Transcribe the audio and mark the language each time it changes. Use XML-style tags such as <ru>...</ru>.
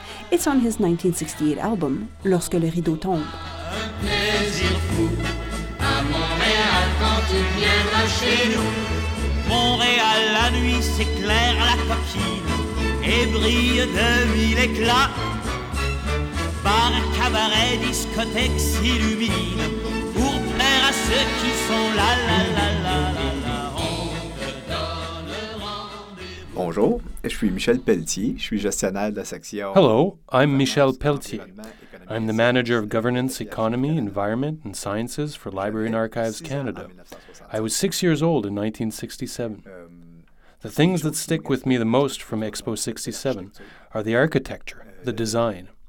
<en>It's on his 1968 album, Lorsque le rideau tombe.</en> <fr>Un plaisir fou à Montréal quand tu viendras chez nous. Montréal, la nuit s'éclaire à la coquille et brille de mille éclats. Bar, cabaret, discothèque s'illumine pour plaire à ceux qui sont là, là, là, là, là, là. Bonjour, je suis Michel Pelletier, je suis gestionnaire de la section.</fr> <en>Hello, I'm Michel Pelletier. I'm the manager of Governance, Economy, Environment, and Sciences for Library and Archives Canada. I was 6 years old in 1967. The things that stick with me the most from Expo 67 are the architecture, the design.</en>